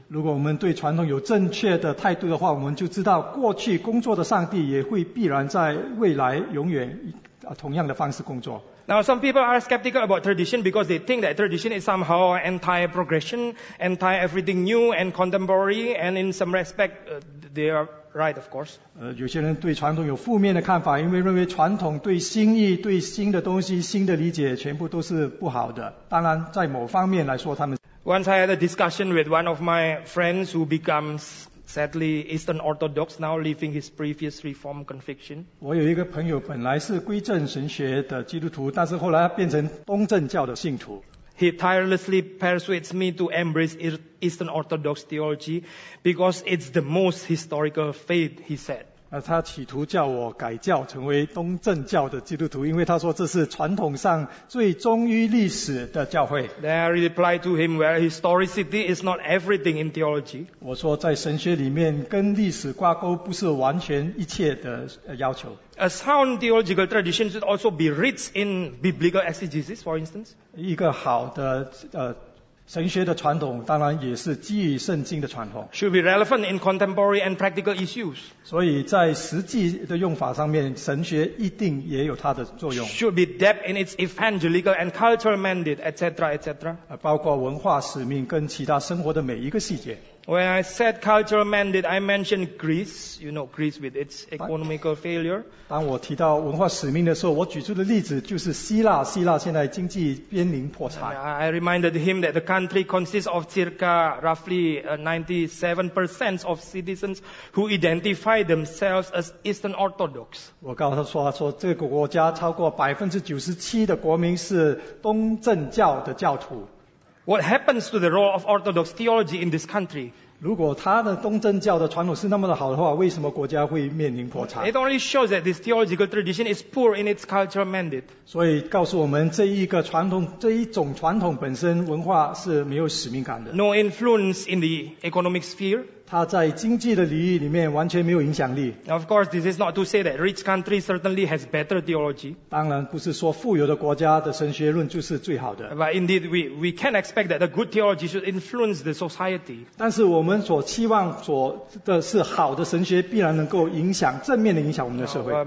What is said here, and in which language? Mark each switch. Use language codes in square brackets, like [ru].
[zh] 如果我们对传统有正确的态度的话，我们就知道过去工作的上帝也会必然在未来永远同样的方式工作。 [en] Now some people are skeptical about tradition because they think that tradition is somehow anti-progression, anti-everything new and contemporary, and in some respect, they are right, of course. [zh] 有些人对传统有负面的看法，因为认为传统对新意、对新的东西、新的理解全部都是不好的。当然，在某方面来说，他们。 [en] Once I had a discussion with one of my friends who becomes sadly Eastern Orthodox now, leaving his previous Reform conviction. [zh] 我有一个朋友本来是归正神学的基督徒，但是后来变成东正教的信徒。 [en] He tirelessly persuades me to embrace Eastern Orthodox theology because it's the most historical faith, he said. [zh] 他企图叫我改教成为东正教的基督徒，因为他说这是传统上最忠于历史的教会。 [en] Then I replied to him, well, historicity is not everything in theology. [zh] 我说在神学里面跟历史挂钩不是完全一切的要求。 [en] A sound theological tradition should also be rich in biblical exegesis, for instance. [zh] 一个好的神学的传统当然也是基于圣经的传统。 [en] Should be relevant in contemporary and practical issues. [zh] 所以在实际的用法上面，神学一定也有它的作用。 [en] Should be depth in its evangelical and cultural mandate, etc., etc. [zh] 包括文化使命跟其他生活的每一个细节。 [en] When I said cultural mandate, I mentioned Greece, you know, Greece with its economical failure. [zh] 当我提到文化使命的时候，我举出的例子就是希腊，希腊现在经济濒临破产。 [en] I reminded him that the country consists of circa roughly 97% of citizens who identify themselves as Eastern Orthodox. [zh] 我告诉他说这个国家超过 97% 的国民是东正教的教徒。 [en] What happens to the role of Orthodox theology in this country? [zh] 如果他的东正教的传统是那么的好的话，为什么国家会面临破产？ [en] It only shows that this theological tradition is poor in its cultural mandate. [zh] 所以告诉我们，这一个传统，这一种传统本身文化是没有使命感的。 [en] No influence in the economic sphere. [zh] 它在经济的领域里面完全没有影响力。 [en] Now, of course, this is not to say that rich countries certainly has better theology. [zh] 当然不是说富有的国家的神学论就是最好的。 [en] But indeed, we can expect that a good theology should influence the society. [zh] 但是我们所期望所的是好的神学必然能够影响正面的影响我们的社会。